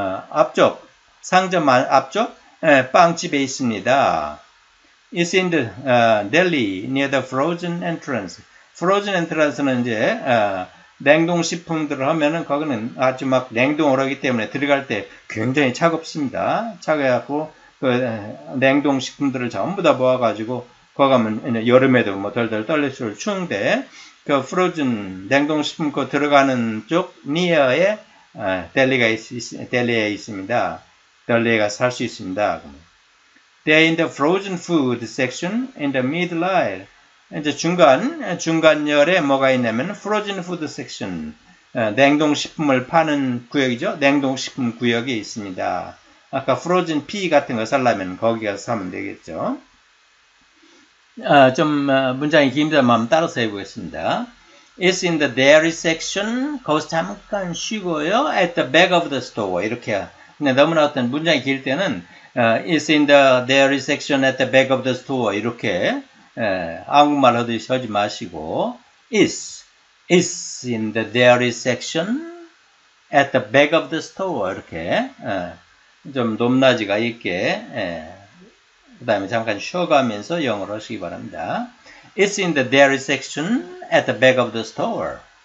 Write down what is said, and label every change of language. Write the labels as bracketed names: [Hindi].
[Korean] 앞쪽 상점 앞쪽 빵집에 있습니다. [English] It's in the deli near the frozen entrance. [Korean] Frozen entrance는 이제 냉동식품들을 하면은 거기는 아주 막 냉동을 하기 때문에 들어갈 때 굉장히 차갑습니다. 차가워갖고 그 냉동식품들을 전부 다 모아가지고 거 가면 여름에도 뭐 덜덜 떨리고 추운데 그 프로즌 냉동식품 거 들어가는 쪽 니어에 델리에 있습니다. 델리에가 살 수 있습니다. [English] They're in the frozen food section in the midline. [Korean] 이제 중간열에 뭐가 있냐면 frozen food section 냉동식품을 파는 구역이죠. 냉동식품 구역에 있습니다. 아까 frozen pea 같은 거 살려면 거기 가서 사면 되겠죠. 문장이 긴데만 따라서 해보겠습니다. [English] It's in the dairy section. [Korean] 거기서 잠깐 쉬고요. [English] At the back of the store. [Korean] 이렇게. 근데 너무나 어떤 문장이 길 때는, [English] It's in the dairy section at the back of the store. [Korean] 이렇게. 한국말 하듯이 하지 마시고. [English] It's in the dairy section at the back of the store. [Korean] 이렇게. 좀 높낮이가 있게. 그 다음에 잠깐 쉬어가면서 영어로 하시기 바랍니다. [English] It's in the dairy section at the back of the store.